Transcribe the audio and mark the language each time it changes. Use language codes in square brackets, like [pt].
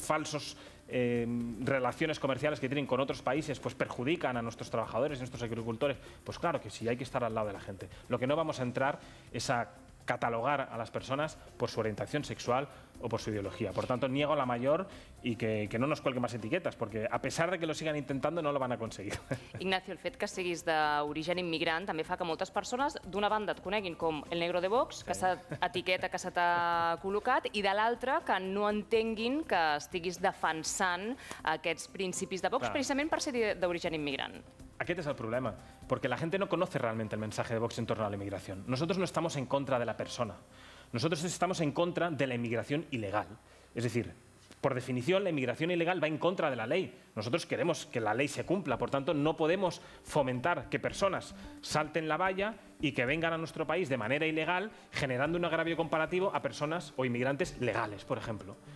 [es] falsos relaciones comerciales que tienen con otros países, pues perjudican a nuestros trabajadores, a nuestros agricultores. Pues claro que sí, hay que estar al lado de la gente. Lo que no vamos a entrar es a catalogar a las personas por su orientación sexual o por su ideología. Por tanto, niego la mayor y que no nos cuelguen más etiquetas, porque a pesar de que lo sigan intentando, no lo van a conseguir. [ca] Ignacio, el fet que siguis d'origen immigrant també fa que moltes persones, d'una banda, et coneguin com el negro de Vox, que sí. Etiqueta que se t'ha col·locat, i de l'altra, que no entenguin que estiguis defensant aquests principis de Vox, clar, precisament per ser d'origen immigrant. Aquest és el problema, [es] porque la gente no conoce realmente el mensaje de Vox en torno a la inmigración. Nosotros no estamos en contra de la persona, nosotros estamos en contra de la inmigración ilegal. Es decir, por definición, la inmigración ilegal va en contra de la ley. Nosotros queremos que la ley se cumpla, por tanto, no podemos fomentar que personas salten la valla y que vengan a nuestro país de manera ilegal, generando un agravio comparativo a personas o inmigrantes legales, por ejemplo.